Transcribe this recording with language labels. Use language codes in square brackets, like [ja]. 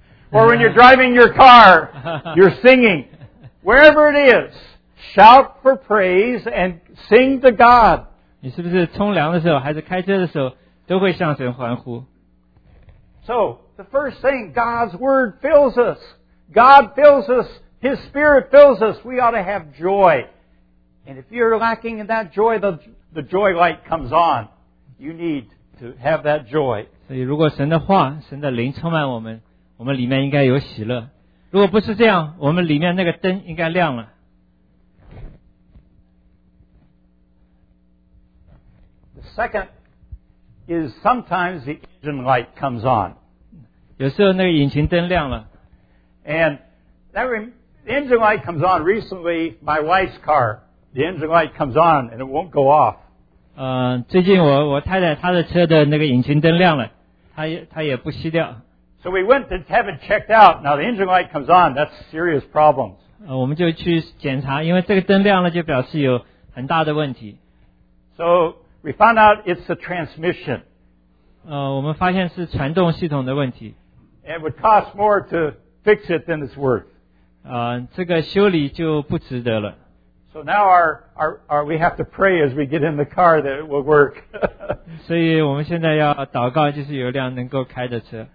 [en] Or when you're driving your car, you're singing. Wherever it is, shout for praise and sing to God. [zh] 你是不是冲凉的时候还是开车的时候都会向神欢呼？ [en] So, the first thing, God's Word fills us. God fills us. His Spirit fills us. We ought to have joy. And if you're lacking in that joy, the joy light comes on. You need to have that joy. [zh] 所以如果神的话，神的灵充满我们，我们里面应该有喜乐。如果不是这样，我们里面那个灯应该亮了。 [en] Second is sometimes the engine light comes on. [zh] 有时候那个引擎灯亮了。 [en] And that the engine light comes on. Recently, my wife's car, the engine light comes on and it won't go off. [zh] 最近我太太她的车的那个引擎灯亮了，她也不熄掉。 [en] So we went to have it checked out. Now the engine light comes on. That's serious problems. [zh] 我们就去检查，因为这个灯亮了就表示有很大的问题。 [en] So,We found out it's the transmission. [zh] 我们发现是传动系统的问题。 [en] It would cost more to fix it than it's worth. [zh] 这个修理就不值得了。 [en] So now we have to pray as we get in the car that it will work. [zh] 所以我们现在要祷告，就是有辆能够开的车。